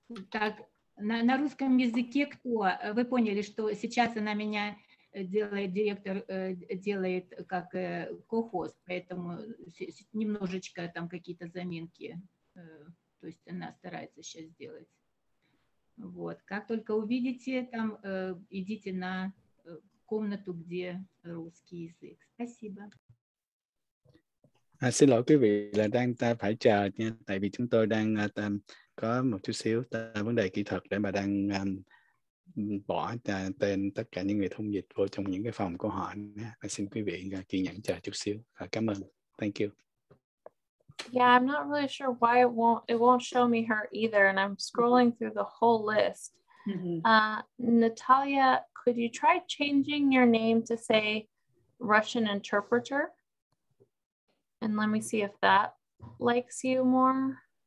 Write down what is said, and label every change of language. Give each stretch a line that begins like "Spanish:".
Russian: Так на русском языке кто вы поняли, что сейчас она меня делает директор делает как co-host, поэтому немножечко там какие-то заминки. То есть она старается сейчас сделать. Вот. Как только увидите, там идите на комнату, где русский язык. Спасибо.
Vietnamese: Xin lỗi quý vị là đang ta phải chờ nha, tại vì chúng tôi đang có một chút xíu vấn đề kỹ thuật để mà đang bỏ tên tất cả những người thông dịch vô trong những cái phòng của họ. Xin quý vị kiên nhẫn chờ chút xíu. Cảm ơn.
English: Thank you. Yeah, I'm not really sure why it won't show me her either, and I'm scrolling through the whole list. Natalia, could you try changing your name to say Russian interpreter? And let me see if that likes you more.